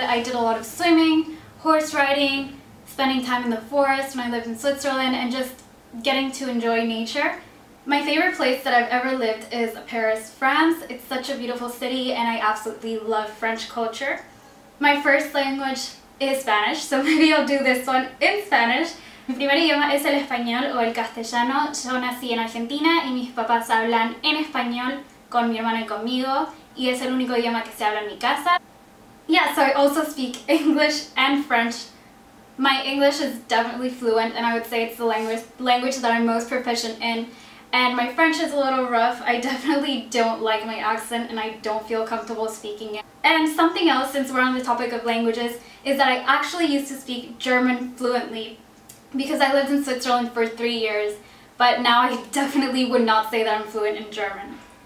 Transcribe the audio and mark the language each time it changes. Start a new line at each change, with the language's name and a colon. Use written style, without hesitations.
English: I did a lot of swimming, horse riding, spending time in the forest when I lived in Switzerland, and just getting to enjoy nature. My favorite place that I've ever lived is Paris, France. It's such a beautiful city and I absolutely love French culture. My first language is Spanish, so maybe I'll do this one in Spanish.
Spanish: Mi primer idioma es el español o el castellano. Yo nací en Argentina y mis papás hablan en español con mi hermano y conmigo, y es el único idioma que se habla en mi casa.
English: Yeah, so I also speak English and French. My English is definitely fluent, and I would say it's the language that I'm most proficient in. And my French is a little rough. I definitely don't like my accent, and I don't feel comfortable speaking it. And something else, since we're on the topic of languages, is that I actually used to speak German fluently because I lived in Switzerland for 3 years, but now I definitely would not say that I'm fluent in German.